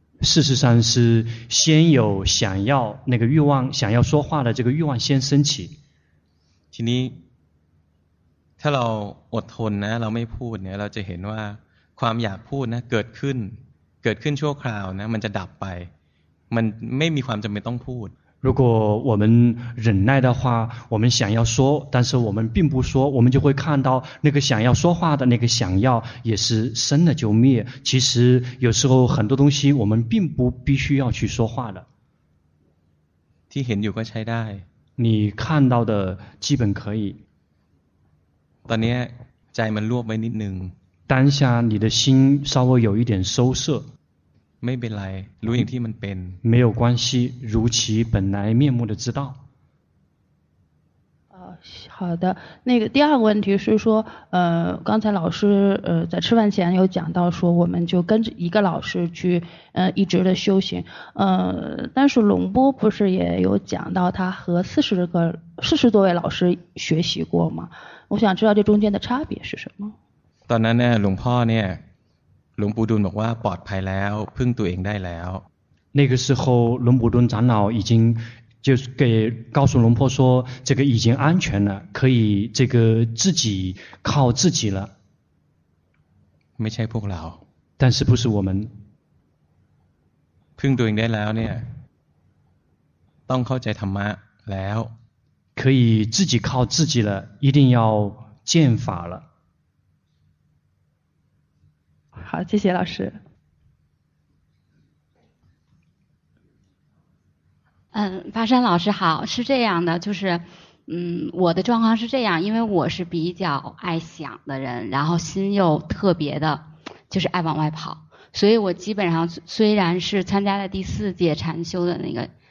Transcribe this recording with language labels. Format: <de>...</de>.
<zh>事实上是先有想要那个欲望想要说话的这个欲望先升起</zh> <th>ทีนี้ถ้าเราอดทนนะเราไม่พูดเนี่ยเราจะเห็นว่าความอยากพูดนะเกิดขึ้นชั่วคราวนะมันจะดับไปมันไม่มีความจำเป็นต้องพูด</th> <zh>如果我们忍耐的话我们想要说但是我们并不说我们就会看到那个想要说话的那个想要也是生了就灭其实有时候很多东西我们并不必须要去说话的</zh> <th>ที่เห็นอยู่ก็ใช้ได้</th> <zh>你看到的基本可以</zh> <th>ตอนนี้ใจมันรวบไว้นิดนึง</th> <zh>当下你的心稍微有一点收摄</zh> <th>ไม่เป็นไรรู้อย่างที่มันเป็น</th> <zh>没有关系如其本来面目的知道好的那个第二个问题是说刚才老师在吃饭前有讲到说我们就跟着一个老师去一直的修行但是龙波不是也有讲到他和40多位老师学习过吗我想知道这中间的差别是什么</zh> <th>ตอนนั้นเนี่ยหลวงพ่อเนี่ยหลวงปู่ดุลบอกว่าปลอดภัยแล้วพึ่งตัวเองได้แล้ว</th> <zh>那个时候龙普敦长老已经就给告诉龙婆说这个已经安全了可以这个自己靠自己了</zh> <th>ไม่ใช่พวกเรา</th> <zh>但是不是我们</zh> <th>พึ่งตัวเองได้แล้วเนี่ยต้องเข้าใจธรรมะแล้ว</th> <zh>可以自己靠自己了一定要见法了好谢谢老师法山老师好是这样的就是我的状况是这样因为我是比较爱想的人然后心又特别的就是爱往外跑所以我基本上虽然是参加了第四届禅修的那个</zh>